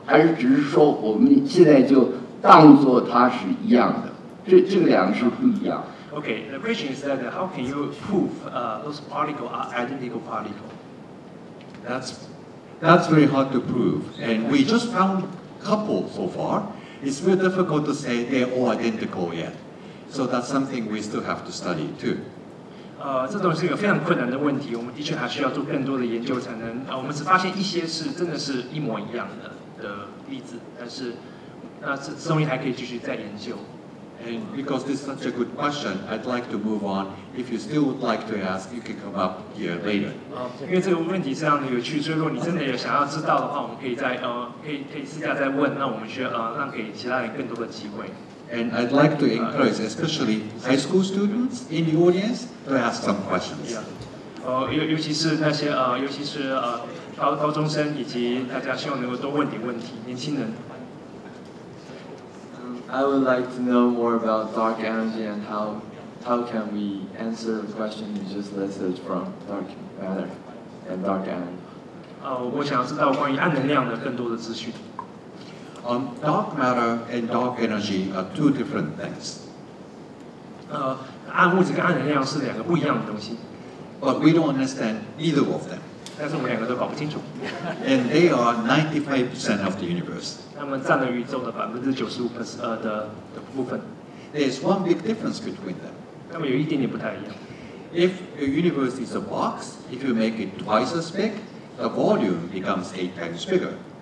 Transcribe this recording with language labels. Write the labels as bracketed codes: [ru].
[zh] 还是只是说我们现在就当作它是一样的，这两个是不一样。 [en] Okay, the question is that how can you prove those particles are identical particles? That's very hard to prove, and we just found couple so far. It's very difficult to say they're all identical yet. So that's something we still have to study too. [zh] 这种是一个非常困难的问题，我们的确还需要做更多的研究才能。我们只发现一些是真的是一模一样的。 [en] And because this is such a good question, I'd like to move on. If you still would like to ask, you can come up here later. Because this question is really interesting, so if you really want to know, we can ask you privately, so we can give you more opportunities. And I'd like to encourage, especially high school students in the audience, to ask some questions. Especially those [zh] 高中生以及大家希望能够多问点问题，年轻人。 [en] I would like to know more about dark energy and how can we answer the question you just listed from dark matter and dark energy. [zh] 我想要知道关于暗能量的更多的资讯。 [en] Dark matter and dark energy are two different things. [zh] 暗物质跟暗能量是两个不一样的东西。 [en] But we don't understand either of them. [zh] 但是我们两个都搞不清楚。 [en] And they are 95% of the universe. [zh] 他们占了宇宙的95%的部分。 [en] There's one big difference between them. [zh] 他们有一点点不太一样。 [en] If the universe is a box, if you make it twice as big, the volume becomes 8 times bigger.